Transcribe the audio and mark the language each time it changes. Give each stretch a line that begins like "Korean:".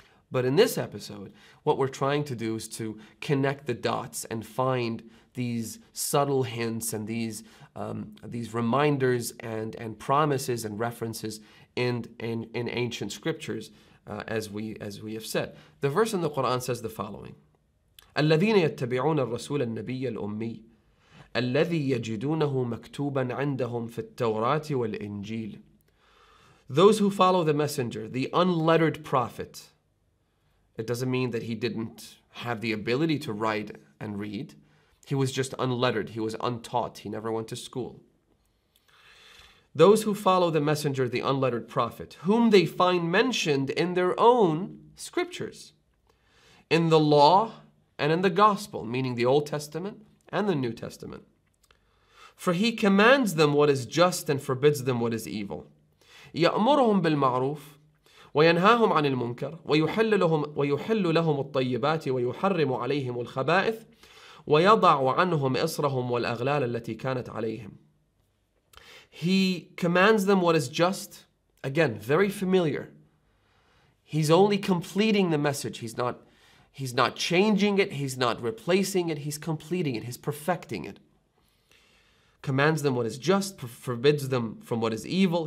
English: But in this episode, what we're trying to do is to connect the dots and find these subtle hints and these reminders and promises and references in ancient scriptures, as we have said. The verse in the Quran says the following:
Arabic: الَّذِينَ يَتَّبِعُونَ الرَّسُولَ النَّبِيَّ الْأُمِّيَّ الَّذِي يَجِدُونَهُ مَكْتُوبًا عَنْدَهُمْ فِي التَّوْرَاتِ وَالْإِنْجِيلِ.
English: Those who follow the messenger, the unlettered prophet, it doesn't mean that he didn't have the ability to write and read. He was just unlettered. He was untaught. He never went to school. Those who follow the messenger, the unlettered prophet, whom they find mentioned in their own scriptures, in the law and in the gospel, meaning the Old Testament and the New Testament. For he commands them what is just and forbids them what is evil.
Arabic: يأمرهم بالمعروف وينهاهم عن المنكر ويحل لهم الطيبات ويحرم عليهم الخبائث ويضع عنهم إصرهم والأغلال التي كانت عليهم.
English: He commands them what is just. Again, very familiar. He's only completing the message. He's not changing it. He's not replacing it. He's completing it. He's perfecting it. Commands them what is just, forbids them from what is evil.